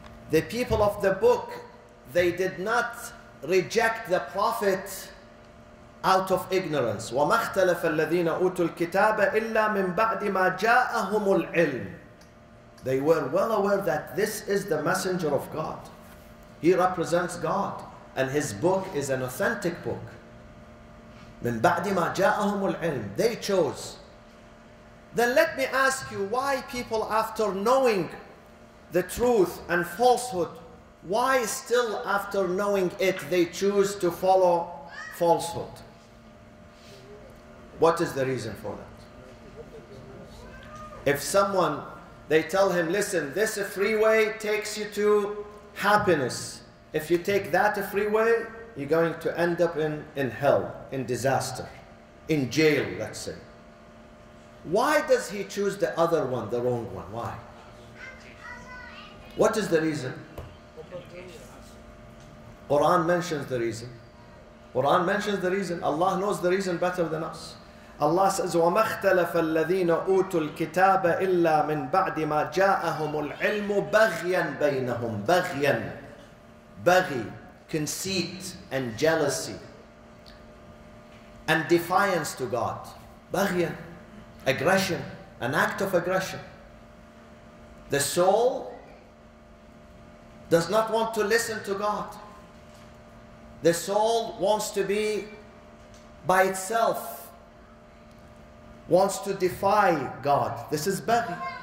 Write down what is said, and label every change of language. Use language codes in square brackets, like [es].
[en] The people of the book, they did not reject the Prophet out of ignorance. [ar] وَمَا اخْتَلَفَ الَّذِينَ أُوتُوا الْكِتَابَ إِلَّا مِنْ بَعْدِ مَا جَاءَهُمُ الْعِلْمِ [en] They were well aware that this is the messenger of God. He represents God. And his book is an authentic book. [ar] مِنْ بَعْدِ مَا جَاءَهُمُ الْعِلْمِ [en] They chose. Then let me ask you, why people after knowing the truth and falsehood, why still after knowing it, they choose to follow falsehood? What is the reason for that? If someone, they tell him, listen, this freeway takes you to happiness. If you take that freeway, you're going to end up in hell, in disaster. in jail, let's say. Why does he choose the other one, the wrong one? Why? What is the reason? Quran mentions the reason. Quran mentions the reason. Allah knows the reason better than us. Allah says, [ar] وَمَا اخْتَلَفَ الَّذِينَ أُوتُوا الْكِتَابَ إِلَّا مِنْ بَعْدِ مَا جَاءَهُمُ الْعِلْمُ بَغْيًا بَيْنَهُمْ بَغْيًا بَغْي [en] conceit and jealousy and defiance to God. [ar] بَغْيًا [en] aggression, an act of aggression. The soul does not want to listen to God. The soul wants to be by itself, wants to defy God. This is baghi.